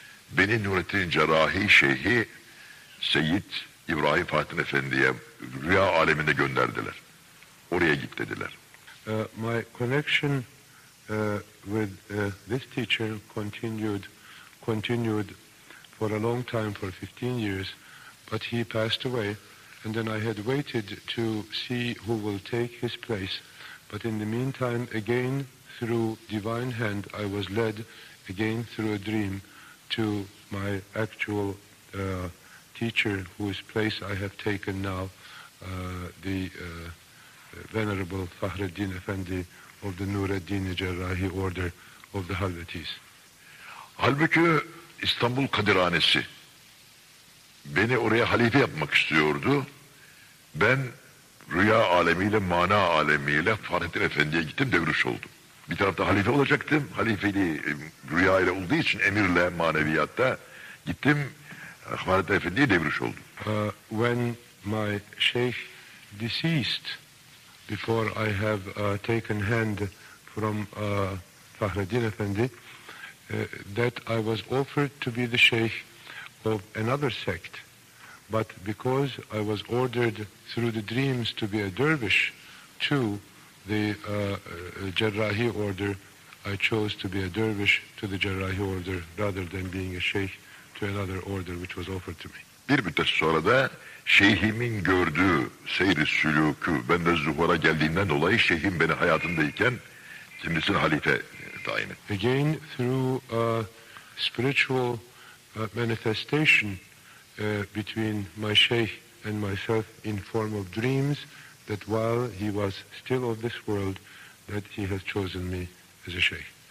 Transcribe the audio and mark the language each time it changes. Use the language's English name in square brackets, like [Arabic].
[Turkish] Beni Nurettin Cerrahi Şeyhi Seyyid İbrahim Fatih Efendi'ye rüya aleminde gönderdiler. Oraya git dediler. [English] My connection with this teacher continued for a long time, for 15 years. But he passed away, and then I had waited to see who will take his place. But in the meantime, again through divine hand, I was led, again through a dream, to my actual teacher, whose place I have taken now, the Venerable Fahreddin Efendi of the Nureddin-i Cerrahi Order of the Halvetis. [Turkish] Halbuki İstanbul Kadirhanesi beni oraya halife yapmak istiyordu. Ben rüya alemiyle, mana alemiyle Fahrettin Efendi'ye gittim, devruş oldum. Bir tarafta halife olacaktım. Halifeliği rüya ile olduğu için emirle, maneviyatta gittim. Fahrettin Efendi'ye devruş oldum. [English] When my sheikh deceased, before I have taken hand from Fahreddin Efendi, that I was offered to be the sheikh of another sect, but because I was ordered through the dreams to be a dervish to the Cerrahi order, I chose to be a dervish to the Cerrahi order rather than being a sheikh to another order which was offered to me. [Turkish] Bir müddet sonra da şeyhimin gördüğü seyri sülükü, ben de zuhura geldiğinden dolayı şeyhim beni hayatındayken kendisini halife tayin etti. [English] Again through a spiritual manifestation between my sheikh and myself in form of dreams, that while he was still of this world, that he has chosen me as a sheikh.